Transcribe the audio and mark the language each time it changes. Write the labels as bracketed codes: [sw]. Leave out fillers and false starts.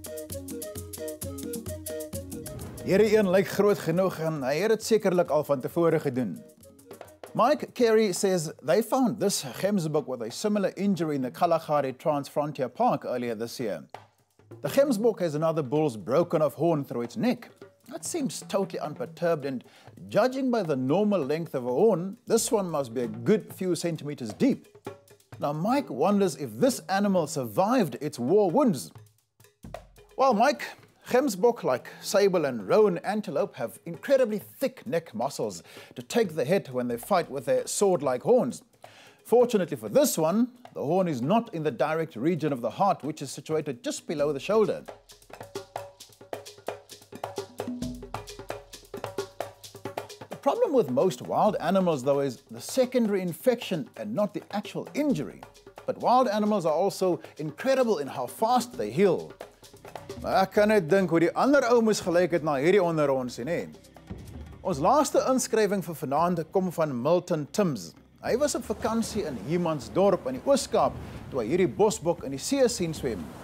[af] Hierdie een lyk groot genoeg en hy het dit sekerlik al van tevore gedoen. [en] Mike Carey says they found this gemsbok with a similar injury in the Kalahari Transfrontier Park earlier this year. The gemsbok has another bull's broken off horn through its neck. That seems totally unperturbed, and judging by the normal length of a horn, this one must be a good few centimeters deep. Now Mike wonders if this animal survived its war wounds. Well, Mike, gemsbok like sable and roan antelope have incredibly thick neck muscles to take the hit when they fight with their sword-like horns. Fortunately for this one, the horn is not in the direct region of the heart, which is situated just below the shoulder. The problem with most wild animals, though, is the secondary infection and not the actual injury. But wild animals are also incredible in how fast they heal. [af] Ek kan net dink hoe die ander ou moes gelyk het na hierdie onder ons sien, hè. Ons laaste inskrywing vir vanaand kom van Milton Timms. Hy was op vakansie in Humansdorp in die Oos-Kaap toe hy hierdie bosbok in die see sien swem.